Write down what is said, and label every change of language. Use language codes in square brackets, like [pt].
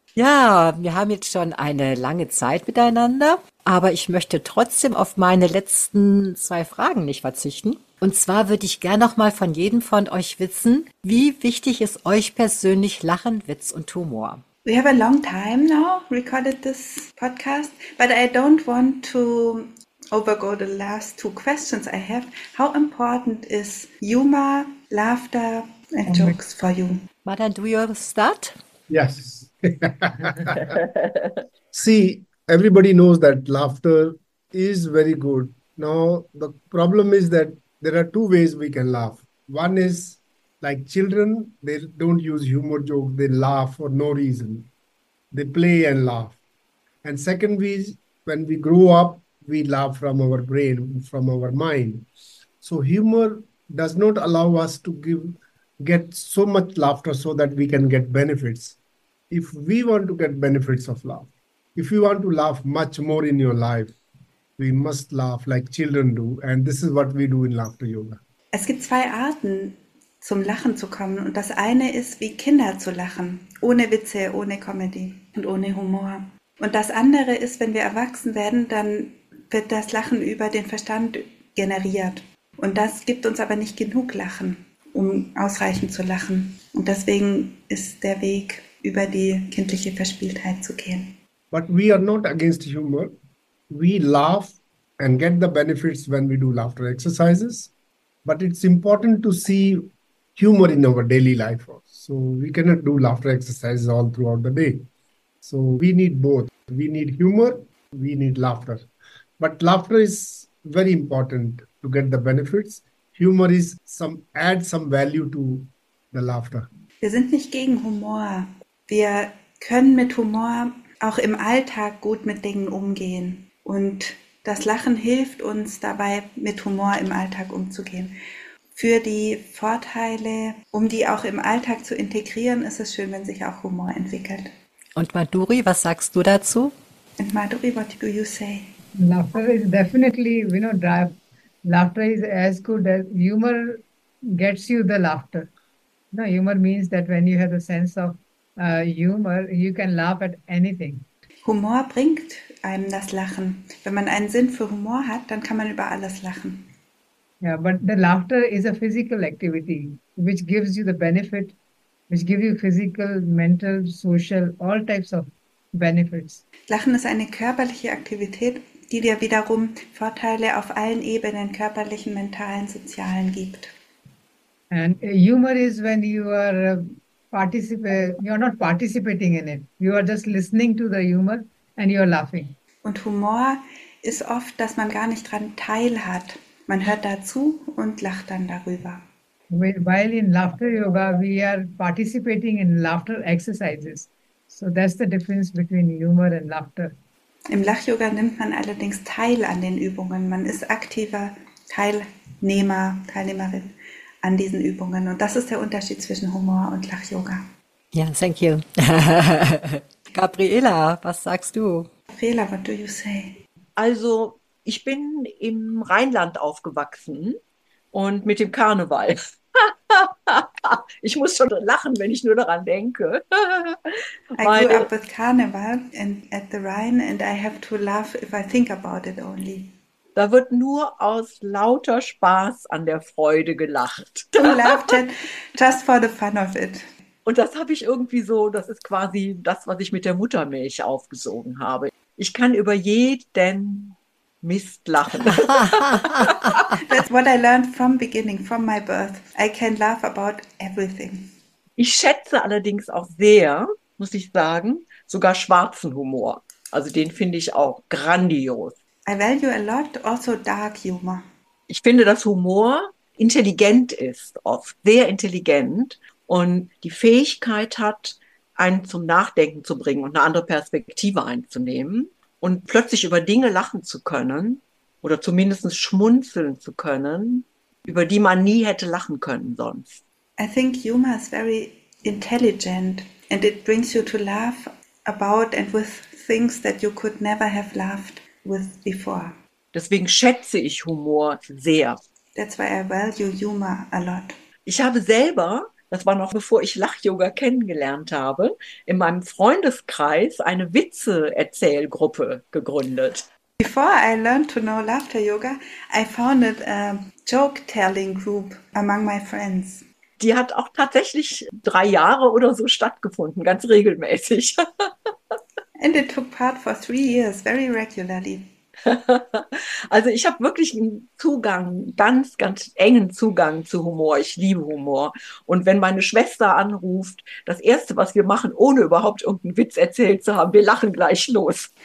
[de] Ja, wir haben jetzt schon eine lange Zeit miteinander, aber ich möchte trotzdem auf meine letzten zwei Fragen nicht verzichten. Und zwar würde ich gerne nochmal von jedem von euch wissen, wie wichtig ist euch persönlich Lachen, Witz und Humor? [en] We have a long time now recorded this podcast, but I don't want to overgo the last two questions I have. How important is humor, laughter and jokes for you? Madan, do you start? Yes. See, everybody knows that laughter is very good. Now, the problem is that there are two ways we can laugh. One is like children, they don't use humor jokes. They laugh for no reason. They play and laugh. And second, when we grow up, we laugh from our brain, from our mind. So humor does not allow us to give get so much laughter so that we can get benefits. If we want to get benefits of love, if you want to laugh much more in your life, we must laugh like children do. And this is what we do in laughter yoga. [de] Es gibt zwei Arten, zum Lachen zu kommen. Und das eine ist, wie Kinder zu lachen. Ohne Witze, ohne Comedy und ohne Humor. Und das andere ist, wenn wir erwachsen werden, dann wird das Lachen über den Verstand generiert. Und das gibt uns aber nicht genug Lachen, um ausreichend zu lachen. Und deswegen ist der Weg, über die kindliche Verspieltheit zu gehen. [en] But we are not against humor. We laugh and get the benefits when we do laughter exercises. But it's important to see humor in our daily life. So we cannot do laughter exercises all throughout the day. So we need both. We need humor, we need laughter. But laughter is very important to get the benefits. Humor is some, add some value to the laughter. [de] Wir sind nicht gegen Humor. Wir können mit Humor auch im Alltag gut mit Dingen umgehen. Und das Lachen hilft uns dabei, mit Humor im Alltag umzugehen. Für die Vorteile, um die auch im Alltag zu integrieren, ist es schön, wenn sich auch Humor entwickelt. Und Madhuri, was sagst du dazu? [en] And Madhuri, what do you say? Laughter is definitely, you know, drive. Laughter is as good as humor gets you the laughter. No, humor means that when you have a sense of humor, you can laugh at anything. [de] Humor bringt einem das Lachen. Wenn man einen Sinn für Humor hat, dann kann man über alles lachen. [en] Yeah, but the laughter is a physical activity which gives you the benefit, which gives you physical, mental, social, all types of benefits. [de] Lachen ist eine körperliche Aktivität, die dir wiederum Vorteile auf allen Ebenen, körperlichen, mentalen, sozialen gibt. [en] And humor is when you are you're not participating in it. You are just listening to the humor and you're laughing. [de] Und Humor ist oft, dass man gar nicht dran teilhat. Man hört dazu und lacht dann darüber. [en] While in laughter yoga, we are participating in laughter exercises. So that's the difference between humor and laughter. [de] Im Lachyoga nimmt man allerdings teil an den Übungen. Man ist aktiver Teilnehmer, Teilnehmerin an diesen Übungen. Und das ist der Unterschied zwischen Humor und Lach-Yoga. Ja, [en] yeah, thank you. [de] Gabriela, was sagst du? [en] Gabriela, what do you say? [de] Also, ich bin im Rheinland aufgewachsen und mit dem Karneval. Ich muss schon lachen, wenn ich nur daran denke. [en] I grew up with Karneval and at the Rhine and I have to laugh if I think about it only. [de] Da wird nur aus lauter Spaß an der Freude gelacht. Du lachtest [en] just for the fun of it. [de] Und das habe ich irgendwie so, das ist quasi das, was ich mit der Muttermilch aufgesogen habe. Ich kann über jeden Mist lachen. [en] That's what I learned from beginning, from my birth. I can laugh about everything. [de] Ich schätze allerdings auch sehr, muss ich sagen, sogar schwarzen Humor. Also den finde ich auch grandios. [en] I value a lot also dark humor. [de] Ich finde, dass Humor intelligent ist, oft sehr intelligent und die Fähigkeit hat, einen zum Nachdenken zu bringen und eine andere Perspektive einzunehmen und plötzlich über Dinge lachen zu können oder zumindest schmunzeln zu können, über die man nie hätte lachen können sonst. [en] I think humor is very intelligent and it brings you to laugh about and with things that you could never have laughed with before. [de] Deswegen schätze ich Humor sehr. [en] That's why I value humor a lot. [de] Ich habe selber, das war noch bevor ich Lach-Yoga kennengelernt habe, in meinem Freundeskreis eine Witze-Erzählgruppe gegründet. [en] Before I learned to know laughter yoga, I founded a joke-telling group among my friends. [de] Die hat auch tatsächlich 3 Jahre oder so stattgefunden, ganz regelmäßig. [en] And it took part for 3 years, very regularly. [de] Also ich habe wirklich einen Zugang, ganz, ganz engen Zugang zu Humor. Ich liebe Humor. Und wenn meine Schwester anruft, das Erste, was wir machen, ohne überhaupt irgendeinen Witz erzählt zu haben, wir lachen gleich los.